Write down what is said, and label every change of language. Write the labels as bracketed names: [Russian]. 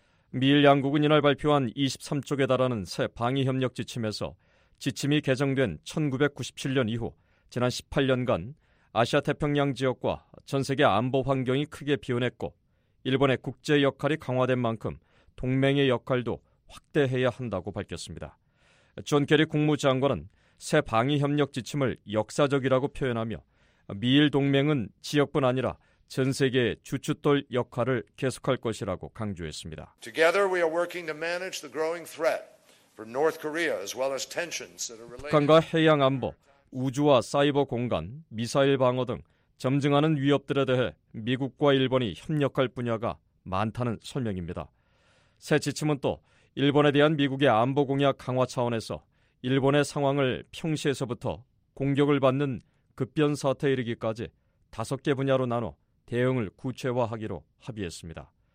[Korean] 미일 양국은 이날 발표한 23쪽에 달하는 새 방위협력 지침에서 지침이 개정된 1997년 이후 지난 18년간 아시아 태평양 지역과 전 세계 안보 환경이 크게 변했고 일본의 국제 역할이 강화된 만큼 동맹의 역할도 확대해야 한다고 밝혔습니다. 존 케리 국무장관은 새 방위협력 지침을 역사적이라고 표현하며 미일 동맹은 지역뿐 아니라 전 세계의 주춧돌 역할을 계속할 것이라고 강조했습니다. [English] Together we are working to manage the growing threat from North Korea as well as tensions that are related [Korean] 북한과 해양 안보, 우주와 사이버 공간, 미사일 방어 등 점증하는 위협들에 대해 미국과 일본이 협력할 분야가 많다는 설명입니다. 새 지침은 또 일본에 대한 미국의 안보 공약 강화 차원에서 일본의 상황을 평시에서부터 공격을 받는 급변 사태에 이르기까지 다섯 개 분야로 나눠 대응을 구체화하기로 합의했습니다.